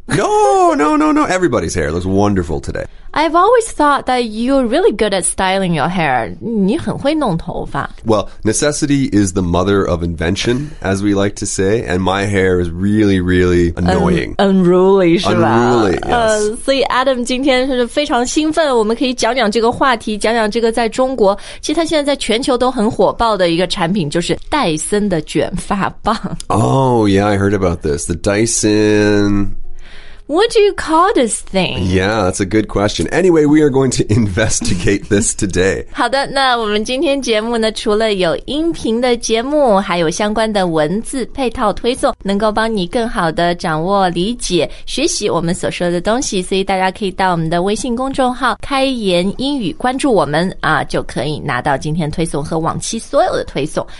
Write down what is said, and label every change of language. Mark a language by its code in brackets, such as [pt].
[en] ？No. Everybody's hair looks wonderful today. I've always thought that you're really good at styling your hair. [zh] 你很会弄头发。 [en] Well, necessity is the mother of invention, as we like to say, and my hair is really, really annoying. Unruly, [zh] 是吧 [en] ？Unruly, yes. [zh] 所以 Adam 今天是非常兴奋，我们可以讲讲这个话题，讲讲这个在中国，其实它现在在全球都很火爆的一个产品，就是戴森的卷发棒。 [en] Oh, yeah, I heard about this. The Dyson... What do you call this thing? Yeah, that's a good question. Anyway, we are going to investigate this today. [zh] 好的，那我们今天节目呢，除了有音频的节目，还有相关的文字配套推送，能够帮你更好的掌握、理解、学习我们所说的东西。所以大家可以到我们的微信公众号"开言英语"关注我们啊，就可以拿到今天推送和往期所有的推送。